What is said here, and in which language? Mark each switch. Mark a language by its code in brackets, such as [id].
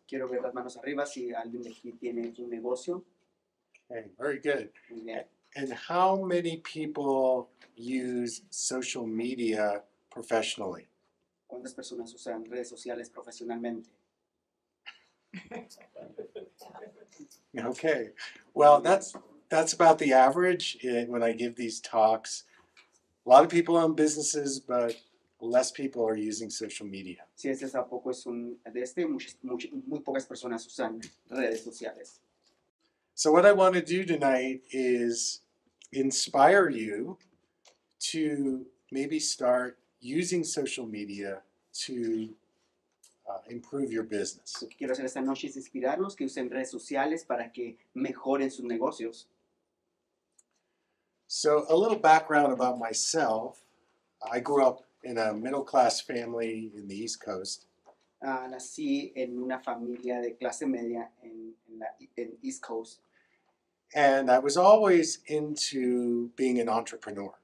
[es] Quiero ver las manos arriba si alguien aquí tiene un negocio. [en] Okay, very good. And how many people use social media professionally? [es] ¿Cuántas personas usan redes sociales profesionalmente? [en] Okay, well, that's about the average when I give these talks. A lot of people own businesses, but less people are using social media. [es] Sí, ese tampoco es un de este. Muy pocas personas usan redes sociales. [en] So what I want to do tonight is inspire you to maybe start using social media to improve your business. [es] Quiero hacer esta noche es inspirarlos que usen redes sociales para que mejoren sus negocios. [en] So a little background about myself. I grew up in a middle-class family in the East Coast. [es] Nací en una familia de clase media en East Coast. [en] And I was always into being an entrepreneur.